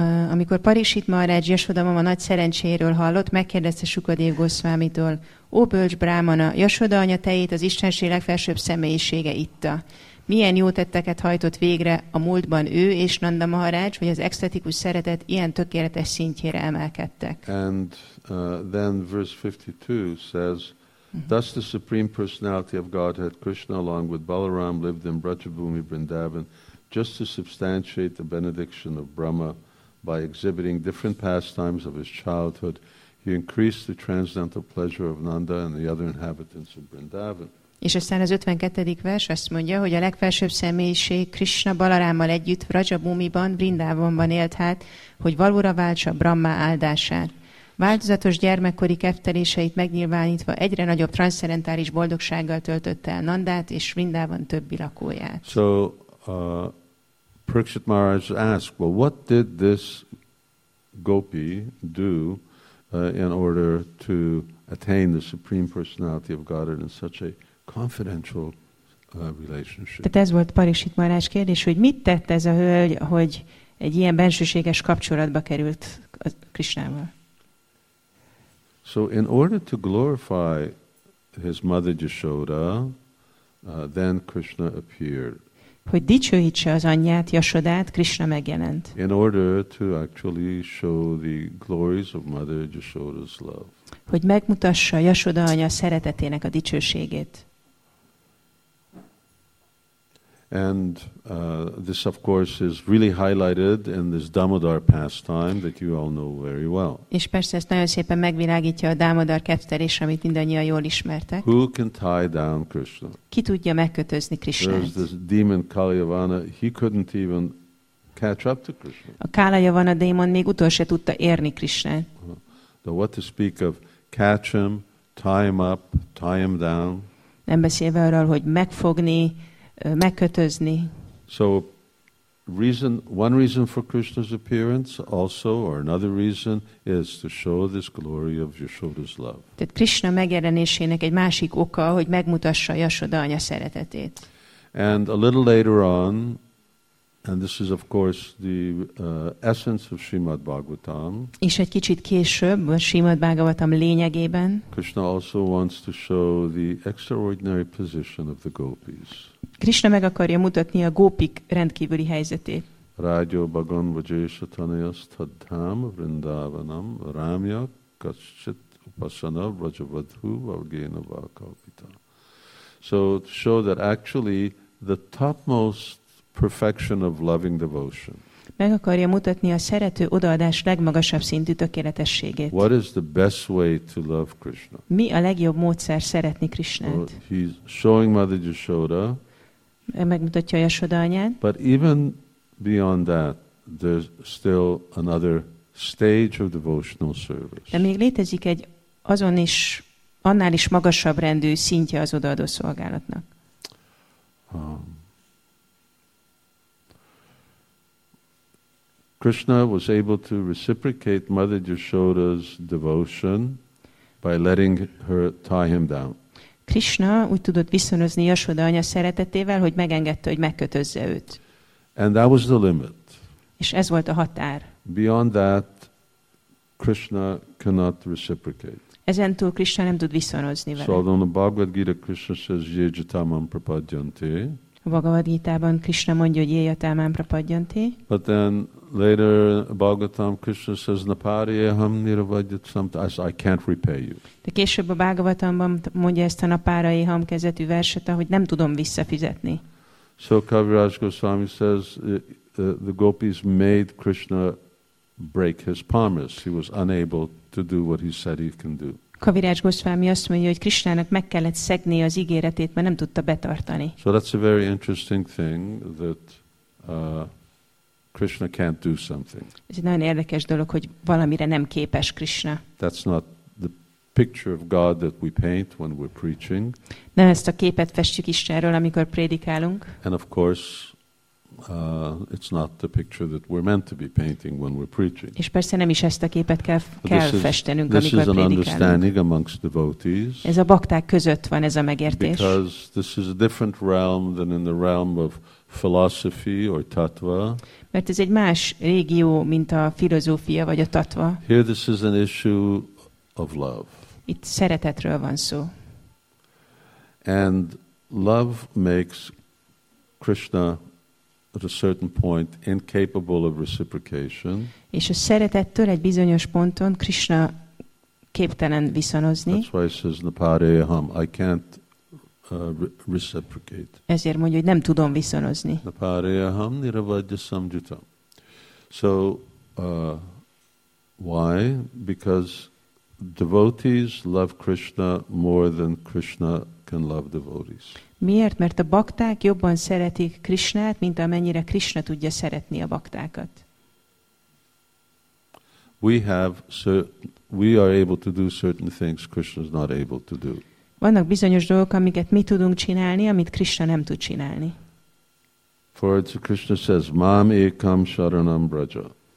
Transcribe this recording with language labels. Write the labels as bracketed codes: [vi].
[hu] Amikor Parikshit Maharaj Yashoda mama nagy szerencséről hallott, megkérdezte Sukadeva Goswamitól, ó bölcs brámana, Yashoda anya tejét az Istenség legfelsőbb személyisége itta. Milyen jó tetteket hajtott végre a múltban ő és Nanda Maharaj, hogy az extatikus szeretet ilyen tökéletes szintjére emelkedtek. [en] And then verse 52 says, Thus the Supreme Personality of Godhead, Krishna, along with Balaram, lived in Brajabhumi Vrindavan, just to substantiate the benediction of Brahma by exhibiting different pastimes of his childhood, he increased the transcendental pleasure of Nanda and the other inhabitants of Vrindavan. [hu] És aztán az 52. vers azt mondja, hogy a legfelsőbb személyiség Krishna Balarámmal együtt Vrajabhumiban, Vrindavanban élt hát, hogy valóra váltsa Brahma áldását. Változatos gyermekkori kefteléseit megnyilvánítva egyre nagyobb transzcendentális boldogsággal töltötte el Nandát és Vrindavan többi lakóját. [en] So, Parikshit Maharaj asked, well, what did this gopi do in order to attain the Supreme Personality of Godhead in such a confidential relationship? [hu] Tehát ez volt Parikshit Maharaj kérdés, hogy mit tett ez a hölgy, hogy egy ilyen bensőséges kapcsolatba került a Krishnával? [en] So in order to glorify his mother Yashoda, then Krishna appeared. [hu] Hogy dicsőítse az anyját, Yashodát, Krishna megjelent. [en] In order to actually show the glories of Mother Yashoda's love. [hu] Hogy megmutassa Yashoda anya szeretetének a dicsőségét. [en] And this of course is really highlighted in this Damodar pastime that you all know very well. [hu] És persze ezt nagyon szépen megvilágítja a Damodar kefterés, amit mindannyian jól ismertek. [en] Who can tie down Krishna? [hu] Ki tudja megkötözni Krishnát? [en] There's this demon Kalyavana, he couldn't even catch up to Krishna. [hu] A Kalyavana démon még utol se tudta érni Krishnát. [en] So what to speak of catch him, tie him up, tie him down. [hu] Nem beszélve arról, hogy megfogni, megkötözni. [en] So One reason for Krishna's appearance also, or another reason, is to show this glory of Yashoda's love. [hu] Tehát Krishna megjelenésének egy másik oka, hogy megmutassa Yashoda anya szeretetét. [en] And a little later on, and this is of course the essence of Srimad Bhagavatam. [hu] És egy kicsit később, a Srimad Bhagavatam lényegében. [en] Krishna also wants to show the extraordinary position of the gopis. [hu] Krishna meg akarja mutatni a gópik rendkívüli helyzetét. [sa] Rajo bhagon vajesha tanayas taddham vrindavanam ramya kaschit upasana vrajavadhu vargena vakalpita. [en] So to show that actually the topmost perfection of loving devotion. [hu] Meg akarja mutatni a szerető odaadás legmagasabb szintű tökéletességét. [en] What is the best way to love Krishna? [hu] Mi a legjobb módszer szeretni Krishnát? [en] Well, he's showing Mother Yashoda. [hu] Megmutatja Yashoda anyát. [en] But even beyond that, there's still another stage of devotional service. [hu] De még létezik egy azon is, annál is magasabb rendű szintje az odaadó szolgálatnak. [en] Krishna was able to reciprocate Mother Yashoda's devotion by letting her tie him down. [hu] Krishna úgy tudott viszonozni Yashoda anya szeretetével, hogy megengedte, hogy megkötözze őt. [en] And that was the limit. [hu] És ez volt a határ. [en] Beyond that, Krishna cannot reciprocate. [hu] Ezentúl Krishna nem tud viszonozni vele. [en] So on the Bhagavad Gita, Krishna says, [sa] "Yejatamam prapadyante." [hu] A Bhagavad Gita-ban Krishna mondja, hogy [sa] "Yejatamam prapadyante." [en] But then later, Bhagavatam, Krishna says, [sa] "Napariyaham niravajyat samta." [en] I can't repay you. [hu] De később a Bhagavatamban mondja ezt a Napariyaham kezdetű verset, hogy nem tudom visszafizetni. [en] So Kaviraj Goswami says, the gopis made Krishna break his promise. He was unable to do what he said he can do. [hu] Kaviraj Goswami azt mondja, hogy Krishnának meg kellett szegni az ígéretét, mert nem tudta betartani. [en] So that's a very interesting thing that Krishna can't do something. [hu] Ez egy nagyon érdekes dolog, hogy valamire nem képes Krishna. [en] That's not the picture of God that we paint when we're preaching. [hu] Nem ezt a képet festjük Istenről, amikor prédikálunk. [en] And of course, it's not the picture that we're meant to be painting when we're preaching. [hu] És persze nem is ezt a képet kell festenünk, amikor prédikálunk. [en] This is an understanding amongst devotees. [hu] Ez a bakták között van ez a megértés. [en] Because this is a different realm than in the realm of philosophy or tattva. [hu] Mert ez egy más régió, mint a filozófia vagy a tattva. [en] Here this is an issue of love. [hu] Itt szeretetről van szó. [en] And love makes Krishna at a certain point incapable of reciprocation. [hu] És a szeretettől egy bizonyos ponton Krishna képtelen viszonozni. [en] That's why he says, "Napariyaham, I can't reciprocate." [hu] Ezért mondja, hogy nem tudom viszonozni. [sa] Napariyaham niravajya samjutam. [en] So why? Because devotees love Krishna more than Krishna can love devotees. [hu] Miért? Mert a bakták jobban szeretik Krishnát, mint amennyire Krishna tudja szeretni a baktákat. [en] We are able to do certain things Krishna is not able to do. [hu] Vannak bizonyos dolgok, amiket mi tudunk csinálni, amit Krishna nem tud csinálni. [en] For it's Krishna says, [sa] "Mam ekam sharanam braja."